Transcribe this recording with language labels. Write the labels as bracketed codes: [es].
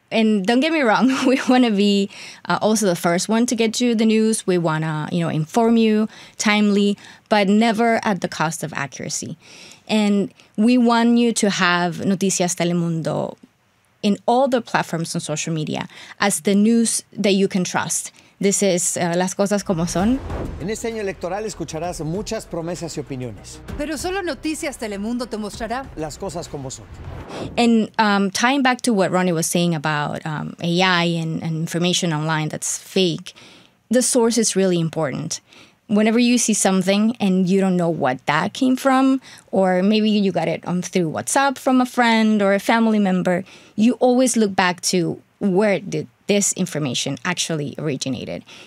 [en] And don't get me wrong, we want to be also the first one to get you the news. We want to, you know, inform you timely, but never at the cost of accuracy. And we want you to have Noticias Telemundo in all the platforms on social media as the news that you can trust. This is Las Cosas Como Son. [es] En este año electoral escucharás muchas promesas y opiniones. Pero solo Noticias Telemundo te mostrará Las Cosas Como Son. [en] And tying back to what Ronny was saying about AI and information online that's fake, the source is really important. Whenever you see something and you don't know what that came from, or maybe you got it through WhatsApp from a friend or a family member, you always look back to where did this information actually originated.